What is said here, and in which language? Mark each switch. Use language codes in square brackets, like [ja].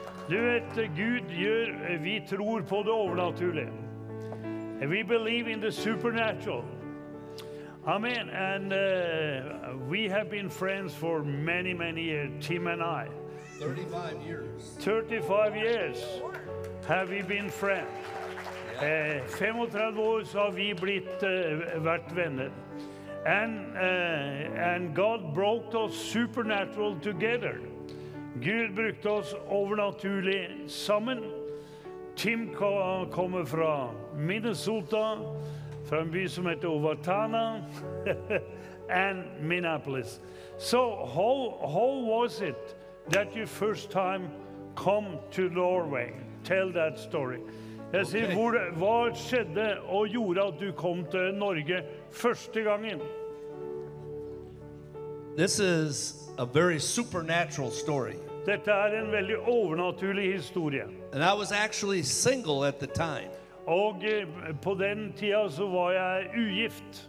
[no] Du vet, Gud gjør, vi tror på det overnaturlige. [en] We believe in the supernatural. Amen. And we have been friends for many, many years, Tim and I. 35 years. 35 years have we been friends. Yeah. [no] 35 år så har vi vært venner. [en] And God brought us supernatural together. [no] Gud brukte oss overnaturlig sammen. Tim kommer fra Minnesota. [en] From a place called Owatonna and Minneapolis. So how was it that you first time come to Norway? Tell that story. Okay. [no] Hvor skjedde og gjorde at du kom til Norge første gangen? [en] This is a very supernatural story. [no] Dette en veldig overnaturlig historie. [en] And I was actually single at the time. [no] Og på den tiden så var jeg ugift.